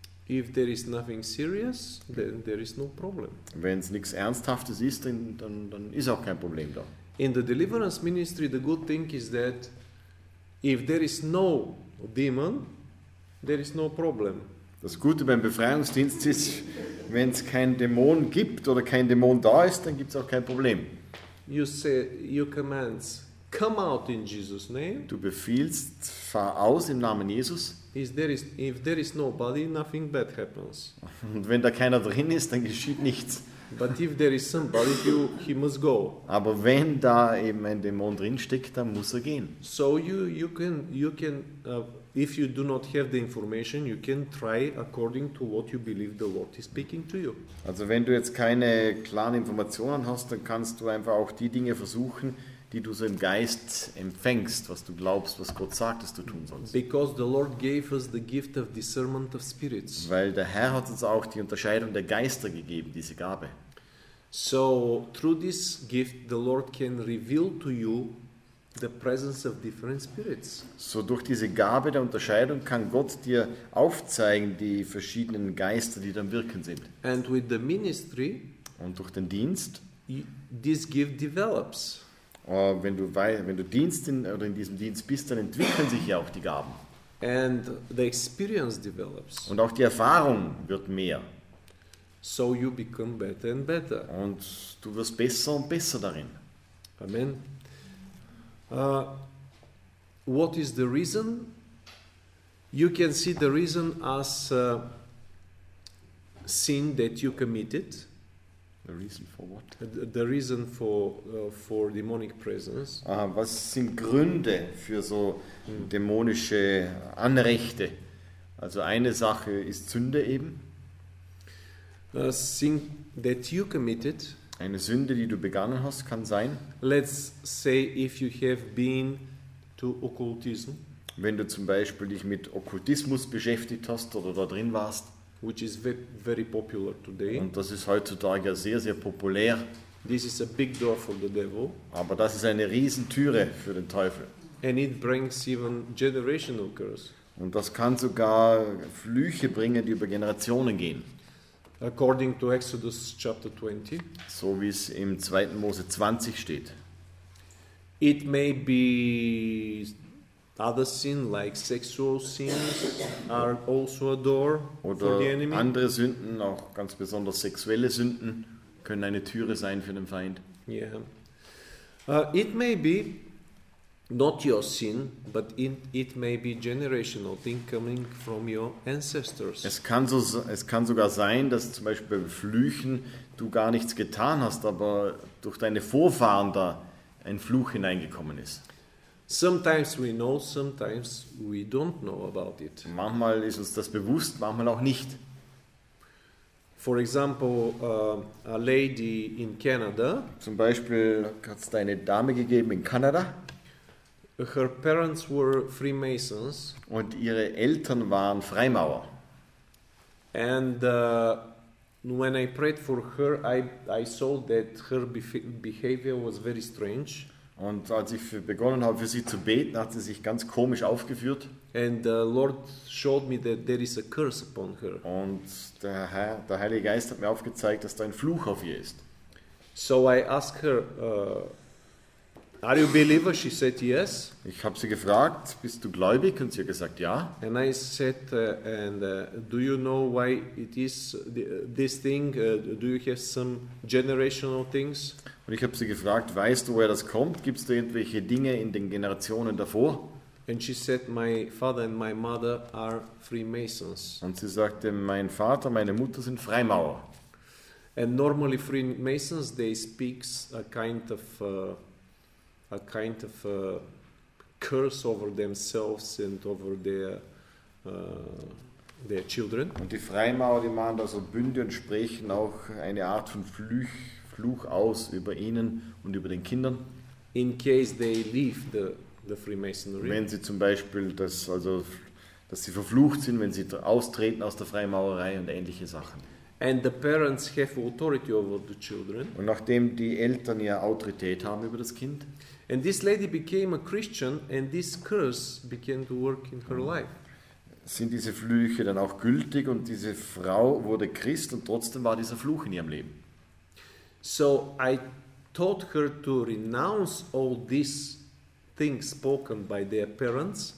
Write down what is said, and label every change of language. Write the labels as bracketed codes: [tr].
[en] If there is nothing serious, then there is no problem. [de] Wenn es nichts Ernsthaftes ist, dann ist auch kein Problem da. [en] In the deliverance ministry, the good thing is that if there is no demon, there is no problem. [de] Das Gute beim Befreiungsdienst ist, wenn es kein Dämon gibt oder kein Dämon da ist, dann gibt es auch kein Problem. [en] You say, you command, come out in Jesus' name. [de] Du befiehlst, fahr aus im Namen Jesus. [en] If there is nobody, nothing bad happens. [de] Und wenn da keiner drin ist, dann geschieht nichts. [en] But if there is somebody, he must go. [de] Aber wenn da eben ein Dämon drin steckt, dann muss er gehen. [en] So you can if you do not have the information, you can try according to what you believe the Lord is speaking to you. [de] Also wenn du jetzt keine klaren Informationen hast, dann kannst du einfach auch die Dinge versuchen, die du so im Geist empfängst, was du glaubst, was Gott sagt, dass du tun sollst. [en] Because the Lord gave us the gift of discernment of spirits. [de] Weil der Herr hat uns auch die Unterscheidung der Geister gegeben, diese Gabe. [en] So through this gift the Lord can reveal to you the presence of different spirits. [de] So durch diese Gabe der Unterscheidung kann Gott dir aufzeigen die verschiedenen Geister, die dann wirken sind. [en] And with the ministry [de] und durch den Dienst [en] this gift develops. [de] Wenn du Dienst in diesem Dienst bist, dann entwickeln sich ja auch die Gaben. [en] And the experience develops. [de] Und auch die Erfahrung wird mehr. [en] So you become better and better. [de] Und du wirst besser und besser darin. [en] Amen. What is the reason? You can see the reason as sin that you committed. The reason for what? The reason for demonic presence. [de] Aha, was sind Gründe für so dämonische Anrechte? Also eine Sache ist Sünde eben. [en] Sin that you committed. [de] Eine Sünde, die du begangen hast, kann sein. [en] Let's say if you have been to occultism. [de] Wenn du zum Beispiel dich mit Okkultismus beschäftigt hast oder da drin warst. [en] Which is very popular today. [de] Und das ist heutzutage sehr, sehr populär. [en] This is a big door for the devil. [de] Aber das ist eine Riesentüre für den Teufel. [en] And it brings even generational curse. [de] Und das kann sogar Flüche bringen, die über Generationen gehen. [en] According to Exodus chapter 20. [de] So wie es im 2. Mose 20 steht. [en] It may be other sin, like sexual sins, are also a door for the enemy. [de] Oder andere Sünden, auch ganz besonders sexuelle Sünden, können eine Türe sein für den Feind. [en] Yeah. It may be not your sin, but it may be generational thing coming from your ancestors. [de] Es kann sogar sein, dass zum Beispiel bei Flüchen du gar nichts getan hast, aber durch deine Vorfahren da ein Fluch hineingekommen ist. [en] Sometimes we know, sometimes we don't know about it. [de] Manchmal ist uns das bewusst, manchmal auch nicht. [en] For example, a lady in Canada. [de] Zum Beispiel hat es da eine Dame gegeben in Kanada. [en] Her parents were Freemasons. [de] Und ihre Eltern waren Freimaurer. [en] And when I prayed for her, I saw that her behavior was very strange. [de] Und als ich begonnen habe, für sie zu beten, hat sie sich ganz komisch aufgeführt. [en] And the Lord showed me that there is a curse upon her. [de] Und der Heilige Geist hat mir aufgezeigt, dass da ein Fluch auf ihr ist. [en] So I asked her, are you a believer? She said yes. [de] Ich habe sie gefragt, bist du gläubig? Und sie hat gesagt, ja. [en] And I said, do you know why it is this thing? Do you have some generational things? [de] Und ich habe sie gefragt, weißt du, woher das kommt? Gibt es da irgendwelche Dinge in den Generationen davor? [en] And she said, my father and my mother are Freemasons. [de] Und sie sagte, mein Vater, meine Mutter sind Freimaurer. [en] And normally Freemasons, they speak a kind of curse over themselves and over their children. [de] Und die Freimaurer, die machen da so Bünde und sprechen auch eine Art von Fluch aus über ihnen und über den Kindern. [en] In case they leave the Freemasonry. [de] Wenn sie zum Beispiel, dass sie verflucht sind, wenn sie austreten aus der Freimaurerei und ähnliche Sachen. [en] And the parents have authority over the children. [de] Und nachdem die Eltern ja Autorität haben über das Kind. [en] And this lady became a Christian and this curse began to work in her life. [de] Sind diese Flüche dann auch gültig und diese Frau wurde Christ und trotzdem war dieser Fluch in ihrem Leben. [en] So I taught her to renounce all these things spoken by their parents.